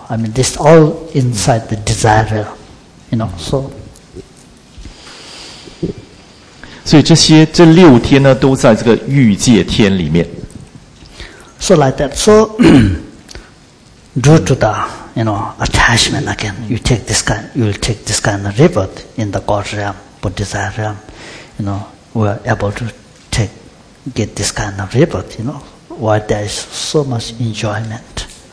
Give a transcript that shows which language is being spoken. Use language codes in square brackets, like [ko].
[en] I mean, this is all inside the desire, you know, so. [zh] 所以这些六天呢, 都在这个欲界天里面。 [en] So like that, so, due to the, you know, attachment again, you take this kind, you'll take this kind of rebirth in the God realm, Buddhist realm, you know, we're able to take, get this kind of rebirth, you know, where there is so much enjoyment.